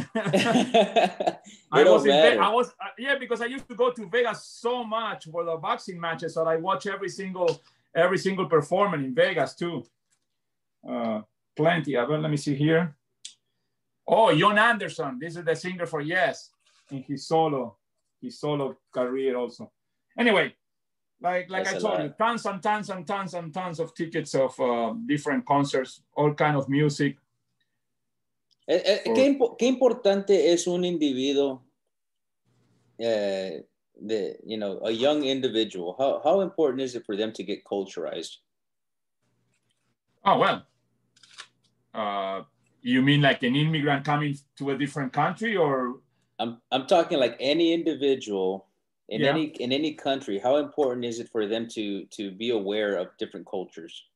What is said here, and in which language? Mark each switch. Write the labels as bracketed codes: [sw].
[en] because I used to go to Vegas so much for the boxing matches that I watch every single performance in Vegas too. Plenty. I mean, let me see here. Oh, John Anderson. This is the singer for Yes in his solo career also. Anyway, like I told you, tons and tons and tons and tons of tickets of different concerts, all kind of music. [es] ¿Qué importante es un individuo, [en] a young individual? How important is it for them to get culturized? Oh, well. You mean like an immigrant coming to a different country, or? I'm talking like any individual in any country. How important is it for them to be aware of different cultures?